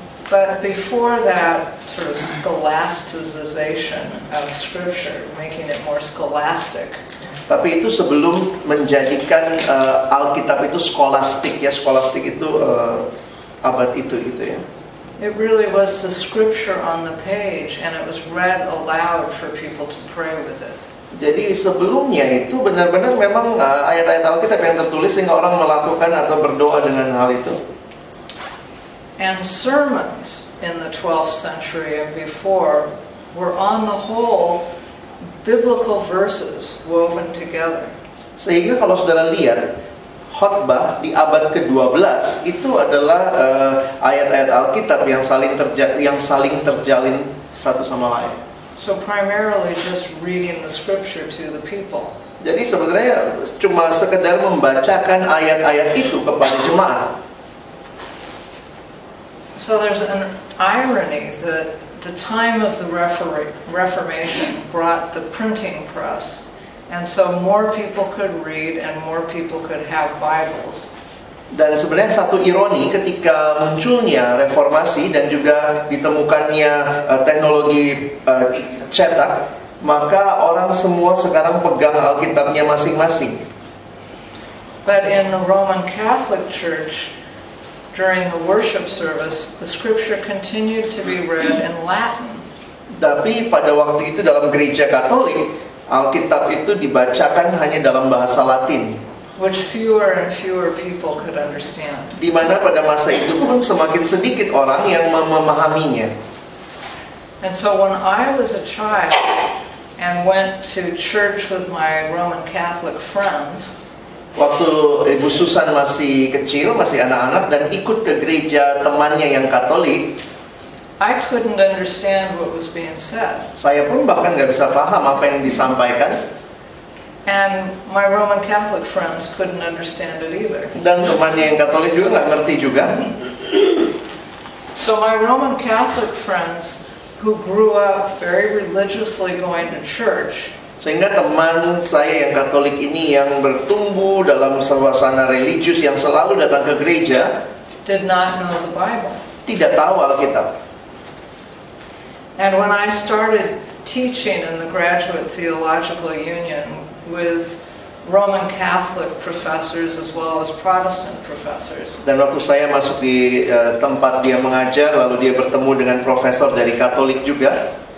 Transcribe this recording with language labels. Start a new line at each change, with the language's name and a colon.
English: But before that sort of scholasticization of scripture, making it more scholastic.
Indonesian: Tapi itu sebelum menjadikan Alkitab itu skolastik ya, skolastik itu abad itu gitu ya.
English: It really was the scripture on the page and it was read aloud for people to pray with it.
Indonesian: Jadi sebelumnya itu benar-benar memang ayat-ayat Alkitab yang tertulis sehingga orang melakukan atau berdoa dengan hal itu.
English: And sermons in the 12th century and before were on the whole biblical verses woven together.
Indonesian: Sehingga kalau saudara lihat khotbah di abad ke-12 itu adalah ayat-ayat Alkitab yang saling terjalin satu sama lain.
English: So primarily just reading the scripture to the people.
Indonesian: Jadi sebenarnya cuma sekedar membacakan ayat-ayat itu kepada jemaat.
English: So there's an irony that the time of the Reformation brought the printing press, and so more people could read and more people could have Bibles.
Indonesian: Dan sebenarnya satu ironi ketika munculnya Reformasi dan juga ditemukannya teknologi cetak, maka orang semua sekarang pegang Alkitabnya masing-masing.
English: But in the Roman Catholic Church, during the worship service, the scripture continued to be read in Latin.
Indonesian: Tapi pada waktu itu dalam gereja Katolik, Alkitab itu dibacakan hanya dalam bahasa Latin.
English: Which fewer and fewer people could understand.
Indonesian: Di mana pada masa itu pun semakin sedikit orang yang memahaminya.
English: And so when I was a child and went to church with my Roman Catholic friends,
Indonesian: waktu Ibu Susan masih kecil, masih anak-anak dan ikut ke gereja temannya yang Katolik,
English: I couldn't understand what was being said.
Indonesian: Saya pun bahkan enggak bisa paham apa yang disampaikan.
English: And my Roman Catholic friends couldn't understand it either.
Indonesian: Dan temannya yang Katolik juga enggak ngerti juga.
English: So my Roman Catholic friends who grew up very religiously going to church.
Indonesian: Sehingga teman saya yang Katolik ini yang bertumbuh dalam suasana religius yang selalu datang ke gereja
English: did not know the Bible.
Indonesian: Tidak tahu Alkitab.
English: And when I started teaching in the Graduate Theological Union with Roman Catholic professors as well as Protestant professors.
Indonesian: Dan waktu saya masuk di tempat dia mengajar, lalu dia bertemu dengan profesor dari Katolik juga.